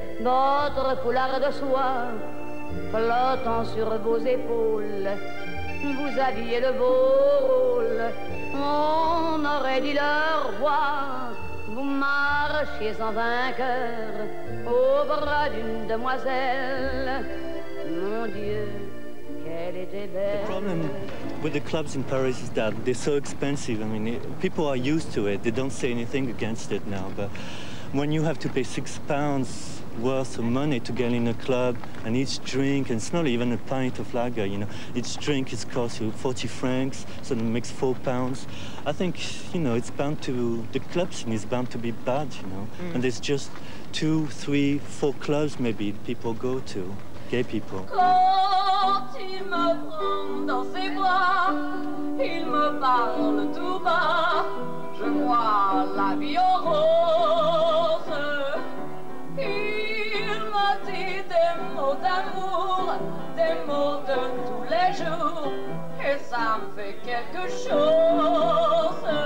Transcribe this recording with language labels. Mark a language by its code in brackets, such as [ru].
[fr] Votre foulard de soie flottant sur vos épaules. Vous aviez le beau rôle. On aurait dit le roi. Vous marchiez en vainqueur au bras d'une demoiselle. Mon Dieu, quel [en] The problem with the clubs in Paris is that they're so expensive. I mean, people are used to it. They don't say anything against it now. But when you have to pay £6 worth of money to get in a club, and each drink, and it's not even a pint of lager, you know, each drink is cost you 40 francs, so it makes £4. I think, you know, it's bound to, the club scene is bound to be bad, you know. Mm. And there's just 2, 3, 4 clubs maybe people go to. Gay people. [fr] Quand il me prend dans ses bras, il me parle tout bas. Je vois la vie en rose. Il me dit des mots d'amour, des mots de tous les jours, et ça me fait quelque chose.